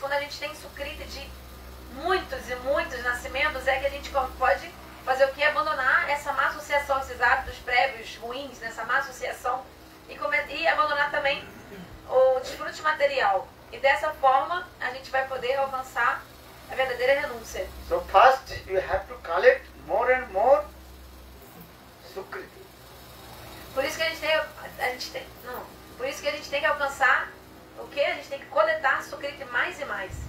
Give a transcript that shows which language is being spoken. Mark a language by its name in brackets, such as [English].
[Portuguese] Quando a gente tem sukriti de muitos e muitos nascimentos, é que a gente pode fazer o que? Abandonar essa má associação, esses hábitos prévios ruins, nessa má associação. E abandonar também o desfrute material. E dessa forma, a gente vai poder alcançar a verdadeira renúncia. [English] So first, you have to collect more and more sukriti. [Portuguese] Por isso que a gente tem que alcançar o quê? A gente tem que coletar sukriti mais e mais.